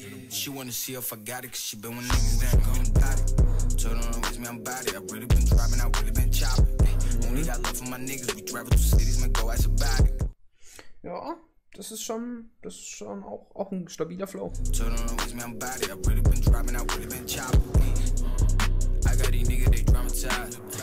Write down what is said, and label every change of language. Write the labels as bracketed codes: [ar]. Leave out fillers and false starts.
[en] She wanna see if I got it, cause she been with niggas that gon' got it. Told her with me, I'm about it. I really been driving, I really been chopping. Only got love for my niggas, we travel through cities, man, go ask about it. [de] Ja, das ist schon auch ein stabiler Flow. [en] Told her with me, I'm about it. I really been driving, I really been chopping. I got these niggas, they dramatized.